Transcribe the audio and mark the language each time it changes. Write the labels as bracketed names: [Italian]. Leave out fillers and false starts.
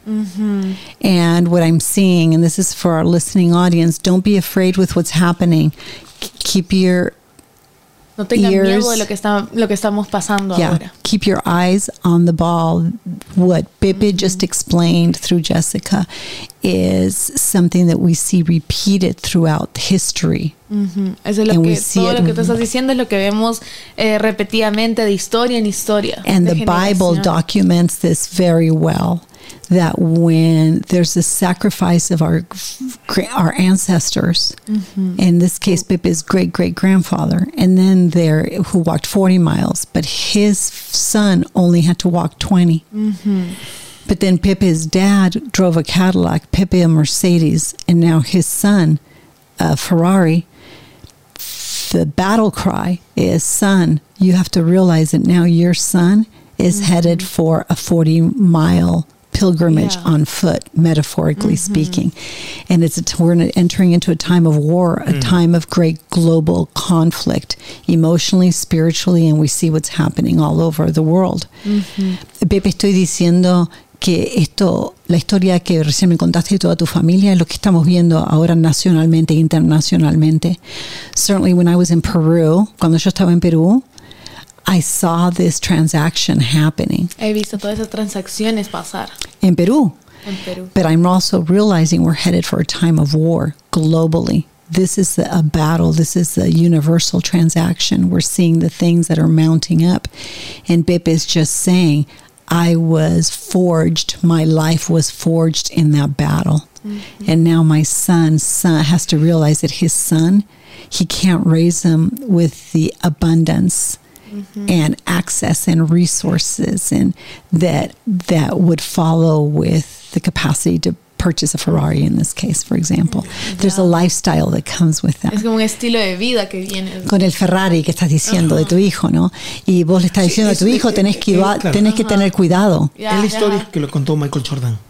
[English] And what I'm seeing, and this is for our listening audience, don't be afraid with what's happening. Keep your [Spanish] no tenga ears. Miedo de lo que estamos pasando ahora. [English] Keep your eyes on the ball. What Pepe just explained through Jessica is something that we see repeated throughout history. [Spanish] Eso es lo que todo lo que tú estás diciendo es lo que vemos repetidamente de historia en historia. [English] And the Bible documents this very well. That when there's a sacrifice of our ancestors, in this case Pippa's great great grandfather, and then there who walked 40 miles, but his son only had to walk 20. But then Pippa's dad drove a Cadillac, Pippa a Mercedes, and now his son a Ferrari. The battle cry is, son, you have to realize that now your son is headed for a 40 mile pilgrimage on foot, metaphorically speaking. And we're entering into a time of war, a time of great global conflict, emotionally, spiritually, and we see what's happening all over the world. [Spanish] Pepe, estoy diciendo que esto, la historia que recién me contaste de toda tu familia, es lo que estamos viendo ahora nacionalmente, internacionalmente. [English] Certainly when I was in Peru, [Spanish] cuando yo estaba en Perú, [English] I saw this transaction happening. [Spanish] He visto todas esas transacciones pasar. En Perú. En Perú. [English] But I'm also realizing we're headed for a time of war globally. this is a battle. This is a universal transaction. We're seeing the things that are mounting up. And Bip is just saying, I was forged. My life was forged in that battle. Mm-hmm. And now my son has to realize that his son, he can't raise him with the abundance and access and resources and that would follow with the capacity to purchase a Ferrari in this case, for example. There's a lifestyle that comes with that. [Spanish] Es como un estilo de vida que viene. Con el Ferrari que estás diciendo de tu hijo, ¿no? Y vos le estás diciendo a tu hijo, tenés que tener cuidado. Es la historia que lo contó Michael Jordan.